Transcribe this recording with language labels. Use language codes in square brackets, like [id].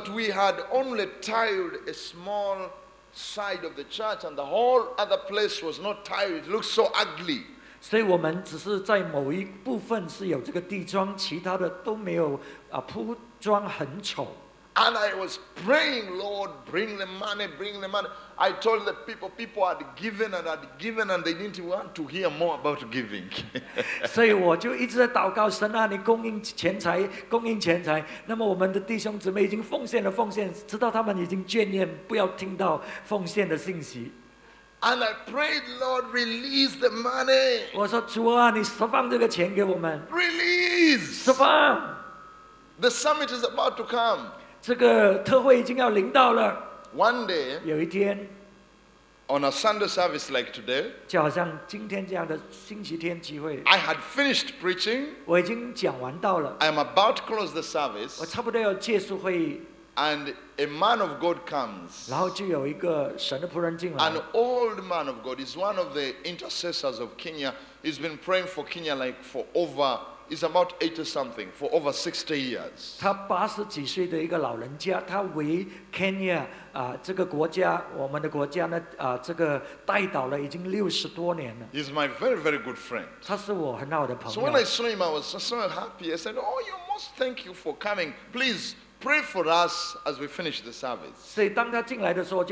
[en] But we had only tiled a small side of the church, and the whole other place was not tiled. It looked so ugly. [zh] 所以我们只是在某一部分是有这个地砖，其他的都没有，铺装很丑。 [en] And I was praying, Lord, bring the money, bring the money. I told the people, people had given and they didn't want to hear more about giving. [zh] 所以我就一直在祷告神啊，你供应钱财，供应钱财。那么我们的弟兄姊妹已经奉献了奉献，知道他们已经眷恋，不要听到奉献的信息。 [en] And I prayed, Lord, release the money. [zh] 我说主啊，你释放这个钱给我们。 [en] Release. [zh] 释放。 [en] The summit is about to come. [zh] 这个特会已经要临到了。 [en] One day. [zh] 有一天。 [en] On a Sunday service like today, [zh] 就好像今天这样的星期天集会, [en] I had finished preaching. [zh] 我已经讲完道了, [en] I am about to close the service. [zh] 我差不多要结束会议, [en] and a man of God comes. [zh] 然后就有一个神的仆人进来, [en] an old man of God is one of the intercessors of Kenya. He's been praying for Kenya like for over, he's about 80 something, for over 60 years. [zh] 他80几岁的一个老人家, 他为 Kenya 这个国家我们的国家呢，这个代祷了已经60多年了。 [en] He's my very very good friend. [zh] 他是我很好的朋友。 [en] So when I saw him, I was so happy. I said, "Oh, you must thank you for coming. Please pray for us as we finish the service."